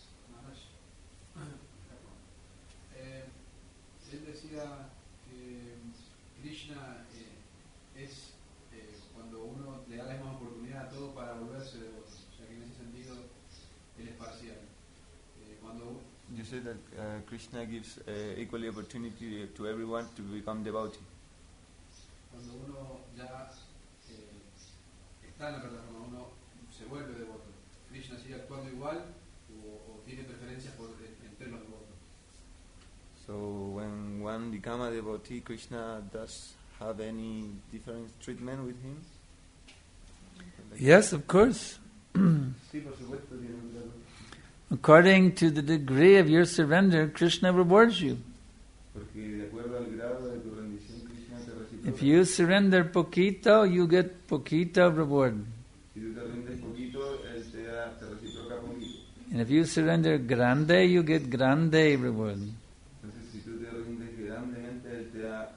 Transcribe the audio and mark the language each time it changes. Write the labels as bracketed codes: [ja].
[es] Maharaj, él decía que Krishna es cuando uno le da la misma oportunidad a todo para volverse de vos. O sea que en ese sentido él es parcial. [en] You said that Krishna gives equally opportunity to everyone to become devotee. [es] Cuando uno ya está en la plataforma, uno se vuelve devoto. ¿Krishna sigue actuando igual o tiene preferencias por entre los devotos? [en] So when one becomes a devotee, Krishna does have any different treatment with him? Yes, of course. [es] Sí, por supuesto, tiene un trato. [en] According to the degree of your surrender, Krishna rewards you. [es] Porque de acuerdo al grado de tu rendición, Krishna te recibe. [en] If you surrender [es] poquito, [en] you get poquito reward. [es] Si tú te rendes poquito, él te reciproca poquito. [en] And if you surrender [es] grande, [en] you get grande reward. [es] Entonces, si tú te rendes grandemente, él te da.